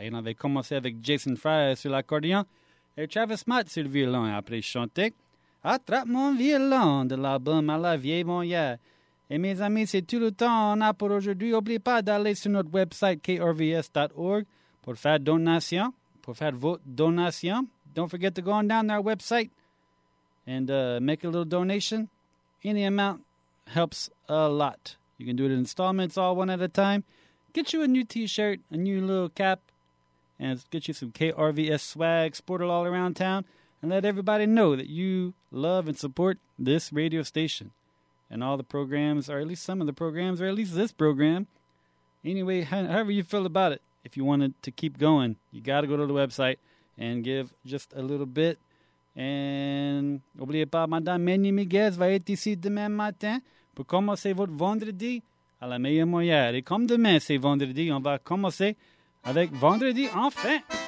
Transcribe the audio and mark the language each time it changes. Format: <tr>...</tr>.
<fr>Il avait commencé avec Jason Fry sur l'accordéon, et Travis Matt sur le violon après chanter Attrape mon violon de l'album à la vieille monnaie. Et mes amis, c'est tout le temps qu'on a pour aujourd'hui. N'oubliez pas d'aller sur notre website krvs.org pour faire donation, pour faire vos donations.</fr> <en>Don't forget to go on down our website and make a little donation. Any amount helps a lot. You can do it in installments, all one at a time. Get you a new t-shirt, a new little cap, and get you some KRVS swag, sport it all around town, and let everybody know that you love and support this radio station and all the programs, or at least some of the programs, or at least this program. Anyway, however you feel about it, if you wanted to keep going, you got to go to the website and give just a little bit.</en> <fr>Et n'oubliez pas, Madame Manny Miguez va être ici demain matin pour commencer votre vendredi à la meilleure manière. Et comme demain, c'est vendredi, on va commencer avec Vendredi Enfin.</fr>